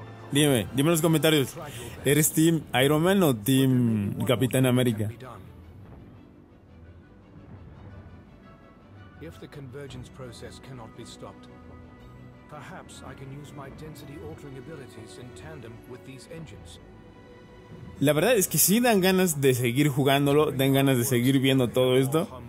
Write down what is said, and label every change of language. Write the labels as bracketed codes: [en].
[es] Dime en los comentarios, ¿eres Team Iron Man o Team Capitán América? [en] If the convergence process cannot be stopped, perhaps I can use my density altering abilities in tandem with these engines. [es] La verdad es que sí dan ganas de seguir jugándolo, dan ganas de seguir viendo todo esto.